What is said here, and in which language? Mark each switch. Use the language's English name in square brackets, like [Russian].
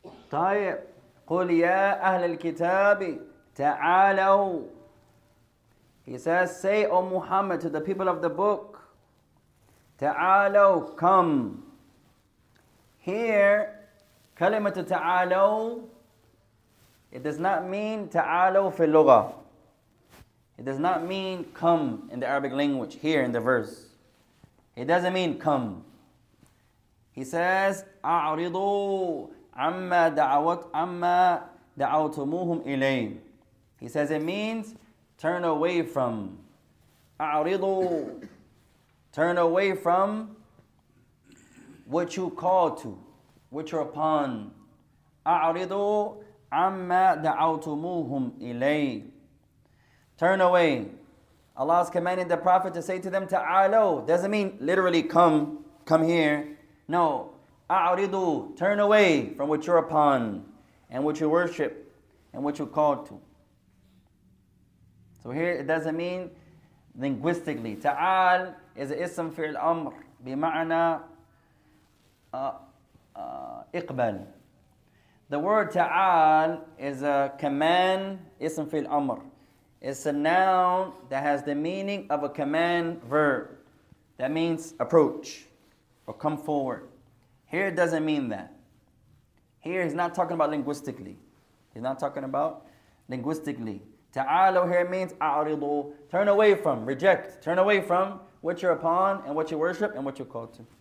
[Arabic] طيب قل يا أهل الكتاب تعالوا. [English] He says, say, O Muhammad, to the people of the book, تعالوا, come. Here, [Arabic] كلمة تعالوا, [English] it does not mean [Arabic] تعالوا في اللغة. [English] It does not mean come in the Arabic language, here in the verse. It doesn't mean come. He says, [Arabic] أعرضوا عَمَّا دَعَوْتُمُوهُمْ إِلَيْهِ. [English] He says it means turn away from. أَعْرِضُ, turn away from what you call to, what you're upon. [Arabic] أَعْرِضُ عَمَّا دَعَوْتُمُوهُمْ إِلَيْهِ. [English] Turn away. Allah's commanding the Prophet to say to them, تَعَالَوْ, doesn't mean literally come, come here. No. أعرضوا, turn away from what you're upon and what you worship and what you're called to. So here it doesn't mean linguistically. [Arabic] تعال [English] is an ism [Arabic] في الأمر بمعنى إقبال. [English] The word تعال is a command, ism [Arabic] في الأمر. [English] It's a noun that has the meaning of a command verb. That means approach or come forward. Here it doesn't mean that. Here he's not talking about linguistically. He's not talking about linguistically. Ta'alo here means a'ridu, turn away from, reject, turn away from what you're upon and what you worship and what you're called to.